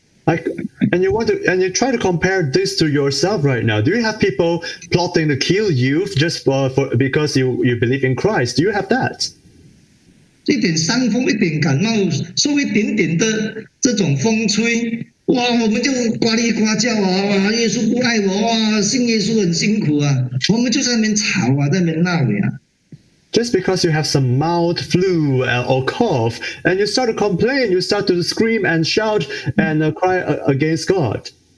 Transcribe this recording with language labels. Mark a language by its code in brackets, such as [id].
[en] You try to compare this to yourself right now. Do you have people plotting to kill you just for because you believe in Christ? Do you have that? [zh] 一点伤风，一点感冒，受一点点的这种风吹，哇，我们就呱哩呱叫啊，耶稣不爱我啊，信耶稣很辛苦啊，我们就在那边吵啊，在那边闹呀。 [en] Just because you have some mild flu or cough, and you start to complain, you start to scream and shout and cry against God.